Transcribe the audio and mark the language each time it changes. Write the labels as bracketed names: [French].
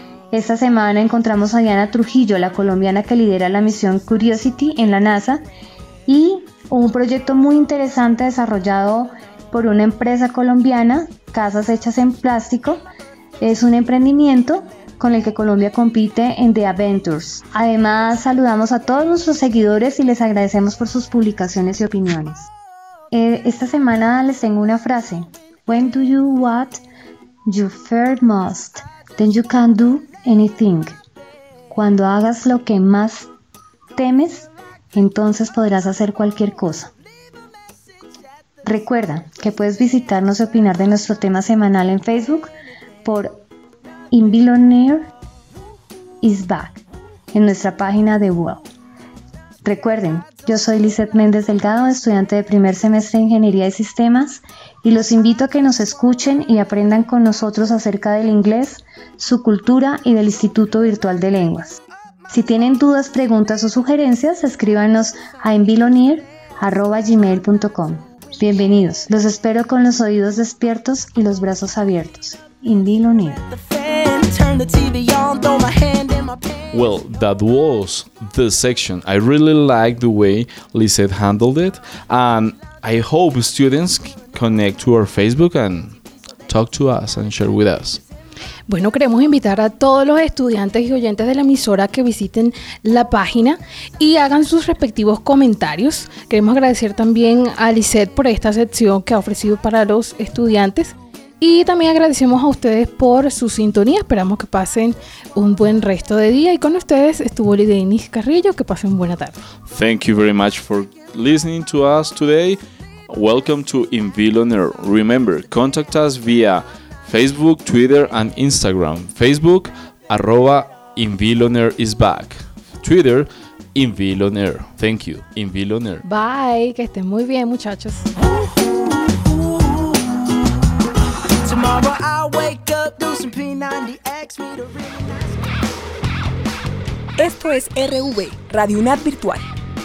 [Spanish] Esta semana encontramos a Diana Trujillo, la colombiana que lidera la misión Curiosity en la NASA, y un proyecto muy interesante desarrollado por una empresa colombiana, Casas Hechas en Plástico. Es un emprendimiento con el que Colombia compite en The Adventures. Además, saludamos a todos nuestros seguidores y les agradecemos por sus publicaciones y opiniones. Esta semana les tengo una frase. [English] When do you what you fear most, then you can do anything. [Spanish] Cuando hagas lo que más temes, entonces podrás hacer cualquier cosa. Recuerda que puedes visitarnos y opinar de nuestro tema semanal en Facebook por Invilonear is back en nuestra página de Wow. Recuerden, Yo soy Lizeth Méndez Delgado, estudiante de primer semestre de Ingeniería de Sistemas, y los invito a que nos escuchen y aprendan con nosotros acerca del inglés, su cultura y del Instituto Virtual de Lenguas. Si tienen dudas, preguntas o sugerencias, escríbanos a envilonir@gmail.com. Bienvenidos, los espero con los oídos despiertos y los brazos abiertos. Envilonir. [English] Well, that was the section. I really like the way Lizeth handled it, and I hope students connect to our Facebook and talk to us and share with us. [Spanish] Bueno, queremos invitar a todos los estudiantes y oyentes de la emisora que visiten la página y hagan sus respectivos comentarios. Queremos agradecer también a Lizeth por esta sección que ha ofrecido para los estudiantes. Y también agradecemos a ustedes por su sintonía. Esperamos que pasen un buen resto de día. Y con ustedes estuvo Lidenis Carrillo. Que pasen buena tarde. [English] Thank you very much for listening to us today. Welcome to Envilonir. Remember, contact us via Facebook, Twitter and Instagram. Facebook, @Envilonir is back. Twitter, Envilonir. Thank you, Envilonir. [Spanish] Bye, que estén muy bien, muchachos. Esto es RV, Radio UNAD Virtual.